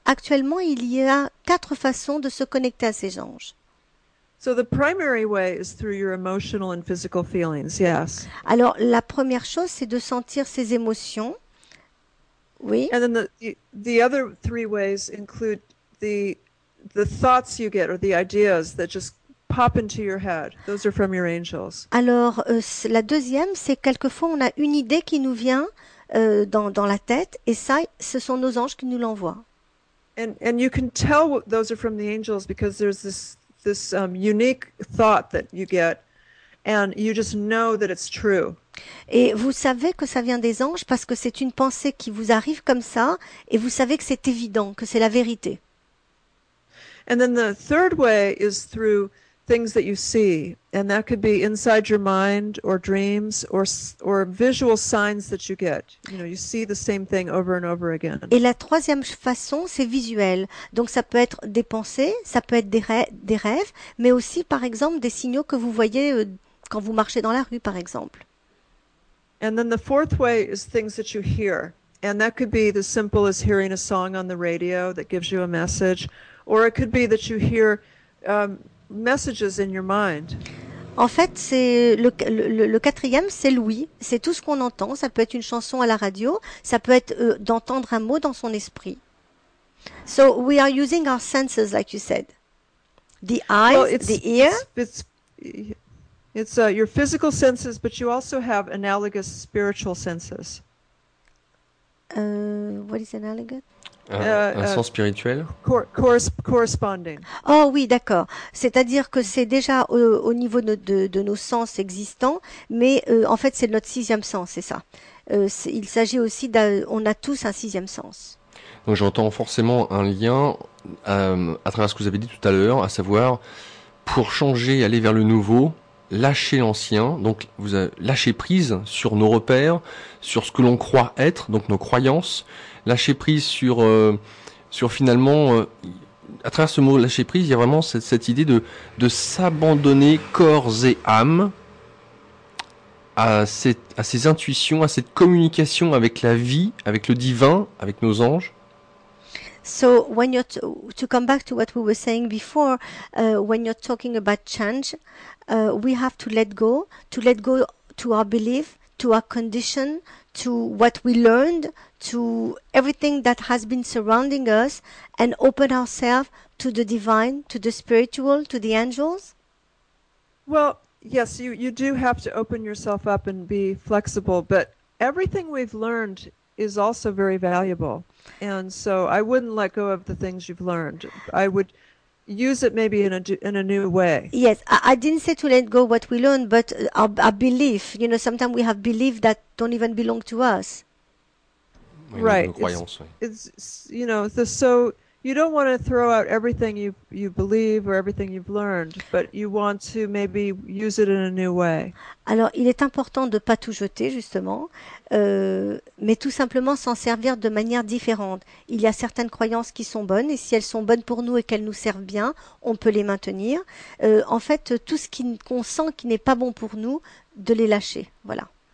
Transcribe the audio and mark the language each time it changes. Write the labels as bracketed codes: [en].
[fr] Actuellement, il y a quatre façons de se connecter à ces anges. [en] So the primary way is through your emotional and physical feelings, yes. [fr] Alors, la première chose, c'est de sentir ses émotions, oui. [en] And then the other three ways include the thoughts you get or the ideas that just pop into your head. Those are from your angels. [fr] Alors, la deuxième, c'est quelquefois on a une idée qui nous vient dans la tête et ça, ce sont nos anges qui nous l'envoient. [en] And you can tell those are from the angels because there's this unique thought that you get and you just know that it's true. [fr] Et vous savez que ça vient des anges parce que c'est une pensée qui vous arrive comme ça et vous savez que c'est évident, que c'est la vérité. [en] And then the third way is through things that you see, and that could be inside your mind or dreams or visual signs that you get. You know, you see the same thing over and over again. [fr] Et la troisième façon, c'est visuel. Donc ça peut être des pensées, ça peut être des rêves, mais aussi par exemple des signaux que vous voyez quand vous marchez dans la rue, par exemple. [en] And then the fourth way is things that you hear, and that could be the simple as hearing a song on the radio that gives you a message, or it could be that you hear messages in your mind. [fr] En fait, c'est le quatrième, c'est l'ouïe. C'est tout ce qu'on entend. Ça peut être une chanson à la radio. Ça peut être d'entendre un mot dans son esprit. [en] So we are using our senses, like you said. The eyes, well, the ear. It's your physical senses, but you also have analogous spiritual senses. What is analogous? [fr] Un sens spirituel. [en] Corresponding. [fr] Oh oui, d'accord. C'est-à-dire que c'est déjà au niveau de nos sens existants, mais en fait c'est notre sixième sens, c'est ça. Il s'agit aussi on a tous un sixième sens. Donc j'entends forcément un lien à travers ce que vous avez dit tout à l'heure, à savoir pour changer, aller vers le nouveau, lâcher l'ancien, donc vous lâcher prise sur nos repères, sur ce que l'on croit être, donc nos croyances, lâcher prise sur finalement, à travers ce mot lâcher prise, il y a vraiment cette idée de s'abandonner corps et âme à ces intuitions, à cette communication avec la vie, avec le divin, avec nos anges. [en] So when you're to come back to what we were saying before, when you're talking about change, we have to let go to our belief, to our condition, to what we learned, to everything that has been surrounding us, and open ourselves to the divine, to the spiritual, to the angels. Well, yes, you do have to open yourself up and be flexible, but everything we've learned is also very valuable. And so I wouldn't let go of the things you've learned. I would use it maybe in a new way. Yes, I didn't say to let go what we learned, but our belief. You know, sometimes we have beliefs that don't even belong to us. Right. It's you know, so you don't want to throw out everything you believe or everything you've learned, but you want to maybe use it in a new way. [fr] Alors, il est important de pas tout jeter justement, mais tout simplement s'en servir de manière différente. Il y a certaines croyances qui sont bonnes et si elles sont bonnes pour nous et qu'elles nous servent bien, on peut les maintenir. En fait, tout ce qu'on sent qui n'est pas bon pour nous, de les lâcher, voilà.